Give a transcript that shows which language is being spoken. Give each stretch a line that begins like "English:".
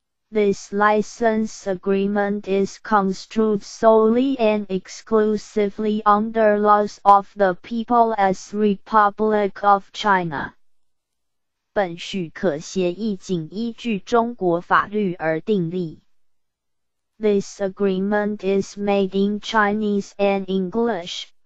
English: This license agreement is construed solely and exclusively under laws of the People's Republic of China.
Chinese: 本许可协议仅依据中国法律而订立。
English: This agreement is made in Chinese and English.